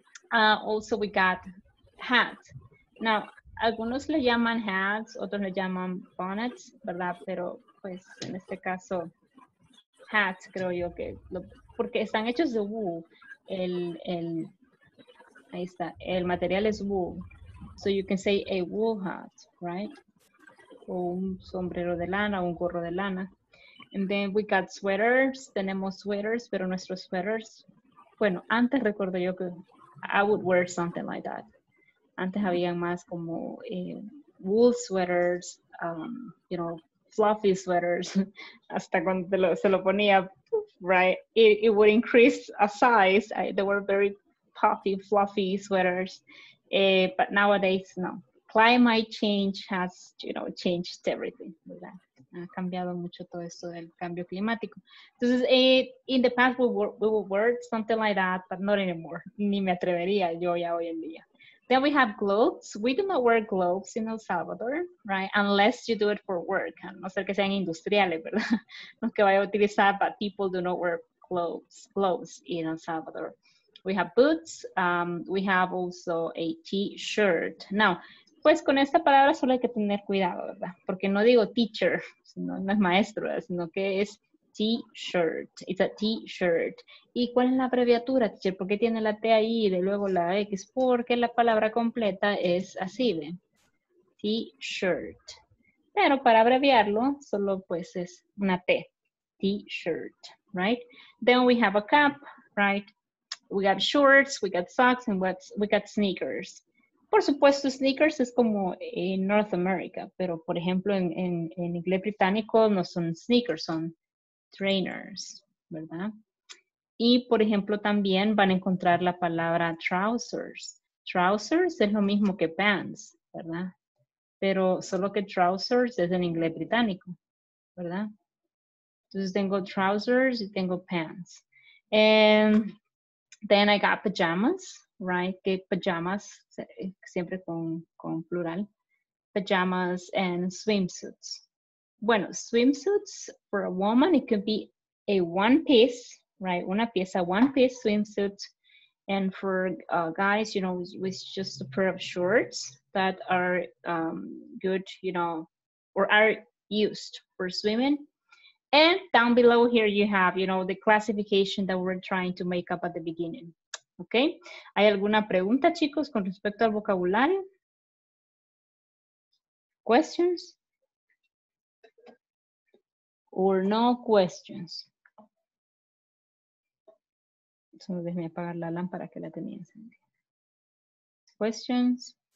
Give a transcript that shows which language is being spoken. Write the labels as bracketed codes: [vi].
[en] Also, we got hat. [es] Now, algunos le llaman hats, otros le llaman bonnets, ¿verdad? Pero, pues, en este caso, hats, creo yo que, porque están hechos de wool. Ahí está, el material es wool. [en] So you can say a wool hat, right? [es] O un sombrero de lana, un gorro de lana. [en] And then we got sweaters, [es] tenemos sweaters, pero nuestros sweaters, bueno, antes recuerdo yo que [en] I would wear something like that. [es] Antes habían más como wool sweaters, [en] you know, fluffy sweaters, [es] hasta cuando se lo ponía, right? [en] It would increase a size. They were very puffy, fluffy sweaters. But nowadays, no. Climate change has, you know, changed everything. ¿Verdad? [es] Ha cambiado mucho todo esto del cambio climático. [en] Entonces, in the past, we would wear something like that, but not anymore. [es] Ni me atrevería yo ya hoy en día. [en] Then we have gloves. We do not wear gloves in El Salvador, right? Unless you do it for work. [es] No ser que sean industriales, ¿verdad? No que vaya a utilizar, [en] but people do not wear gloves in El Salvador. We have boots. We have also a t-shirt. [es] Now, pues con esta palabra solo hay que tener cuidado, ¿verdad? Porque no digo teacher, sino, no es maestro, ¿verdad? Sino que es t-shirt. [en] It's a t-shirt. [es] ¿Y cuál es la abreviatura, teacher? ¿Por qué tiene la T ahí y de luego la X? Porque la palabra completa es así, ¿ve? T-shirt. Pero para abreviarlo, solo pues es una T. [en] T-shirt, right? Then we have a cap, right? We got shorts, we got socks, and we got sneakers. [es] Por supuesto, sneakers es como en North America, pero por ejemplo, en inglés británico no son sneakers, son trainers, ¿verdad? Y por ejemplo, también van a encontrar la palabra trousers. Trousers es lo mismo que pants, ¿verdad? Pero solo que trousers es en inglés británico, ¿verdad? Entonces tengo trousers y tengo pants. [en] And then I got pajamas. [es] Right, que pajamas, siempre con plural, pajamas and swimsuits. [en] Bueno, swimsuits for a woman, it could be a one piece, right, [es] una pieza, [en] one piece swimsuit, And for guys, you know, with just a pair of shorts that are good, you know, or are used for swimming. And down below here you have, you know, the classification that we're trying to make up at the beginning. Okay. [es] ¿Hay alguna pregunta, chicos, con respecto al vocabulario? [en] Questions? Or no questions? [es] Solo déjeme apagar la lámpara que la tenía encendida. Questions?